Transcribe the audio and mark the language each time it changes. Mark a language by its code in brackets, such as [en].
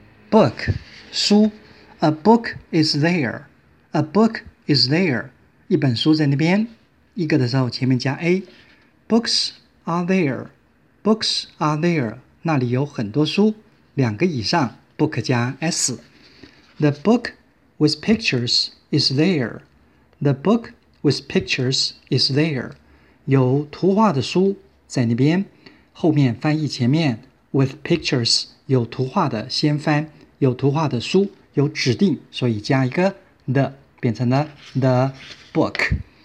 [en] book 书， a book is there， a book is there， [zh] 一本书在那边。一个的时候前面加 a， [en] books are there， books are there， [zh] 那里有很多书。两个以上 book 加 s。 [en] The book with pictures is there. The book with pictures is there. [zh] 有图画的书在那边，后面翻译前面 [en] with pictures [zh] 有图画的先翻，有图画的书有指定，所以加一个 the 变成了 the book.